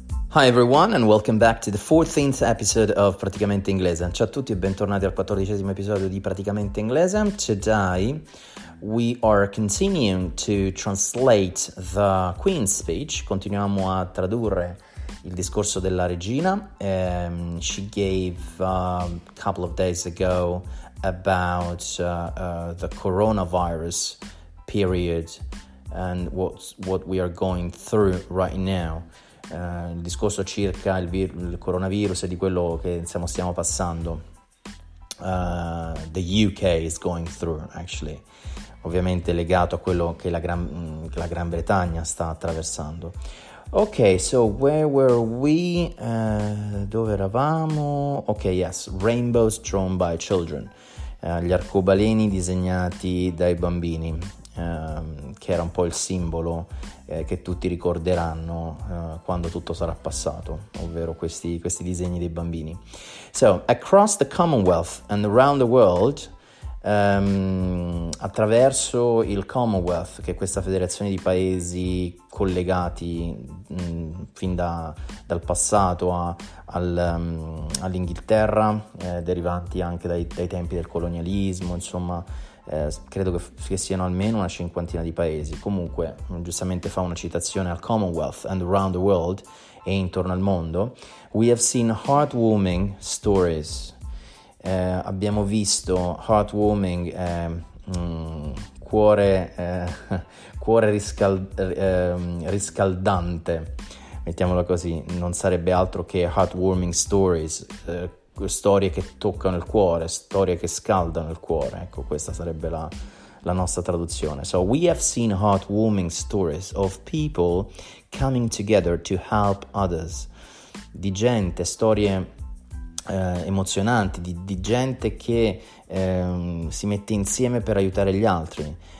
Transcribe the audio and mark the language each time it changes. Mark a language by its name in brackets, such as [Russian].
[English] Hi everyone and welcome back to the 14th episode of Praticamente Inglese. [Italian] Ciao a tutti e bentornati al 14th episodio di Praticamente Inglese. [English] Today we are continuing to translate the Queen's speech. [Italian] Continuiamo a tradurre il discorso della regina. [English] She gave a couple of days ago about the coronavirus period and what we are going through right now. [Italian] Il discorso circa il coronavirus e di quello che insomma, stiamo passando. [English] The UK is going through, actually. [Italian] Ovviamente legato a quello che la Gran Bretagna sta attraversando. [English] Ok, so where were we? [Italian] Dove eravamo? [English] Ok, yes, rainbows drawn by children. [Italian] Gli arcobaleni disegnati dai bambini. Che era un po' il simbolo che tutti ricorderanno quando tutto sarà passato, ovvero questi disegni dei bambini. [English] So, across the Commonwealth and around the world, [Italian] attraverso il Commonwealth, che è questa federazione di paesi collegati fin dal passato all'Inghilterra, derivanti anche dai tempi del colonialismo, insomma. Credo che siano almeno una cinquantina di paesi. Comunque, giustamente fa una citazione al Commonwealth [English] and around the world [Italian] e intorno al mondo. [English] We have seen heartwarming stories. [Italian] Abbiamo visto heartwarming, cuore riscaldante, mettiamola così. Non sarebbe altro che [English] heartwarming stories. [Italian] Storie che toccano il cuore, storie che scaldano il cuore, ecco, questa sarebbe la nostra traduzione. [English] So, we have seen heartwarming stories of people coming together to help others. [Italian] Di gente, storie emozionanti, di gente che si mette insieme per aiutare gli altri.